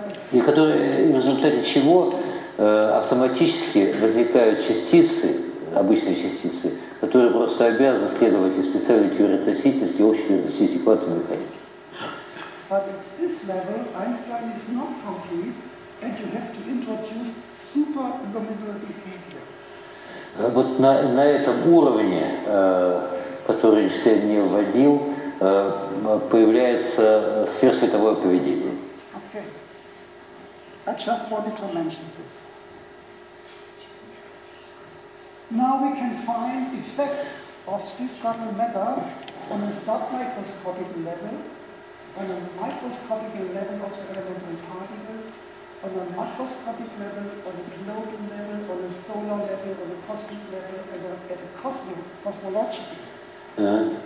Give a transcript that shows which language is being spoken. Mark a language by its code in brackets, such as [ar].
[ru] И который, в результате чего автоматически возникают частицы, обычные частицы, которые просто обязаны следовать из специальной теории относительности и общей теории относительности квантовой механики. [en] But at this level, Einstein is not complete, and you have to introduce supernormal behavior. [ru] Вот на этом уровне, который Эйнштейн не вводил, появляется сверхсветовое поведение. [en] Okay. I just wanted to mention this. Now we can find effects of this subtle matter on a submicroscopic level, on a microscopic level of the elementary particles, on a macroscopic level, on a global level, on a solar level, on a cosmic level, and at a cosmic cosmological level.